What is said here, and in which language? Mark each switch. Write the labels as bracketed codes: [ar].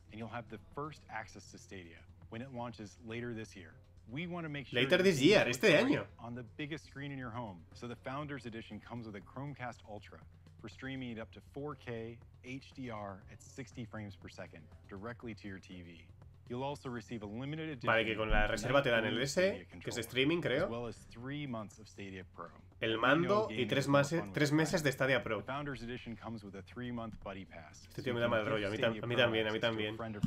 [en] And you'll have the first access to Stadia when it launches later this year. We want to make sure later this year, [es] este año. [en] On the biggest screen in your home. So the Founders Edition comes with a Chromecast Ultra for streaming it up to 4K HDR at 60 frames per second directly to your TV. You'll also receive a limited edition. [es] Vale, que con la reserva te dan el S, que es streaming, creo. [en] As well as 3 months of Stadia Pro. [es] El mando y tres meses de Stadia Pro. [en] Founders Edition comes with a 3 month buddy pass. [es] Este tío me da mal rollo, a mí también.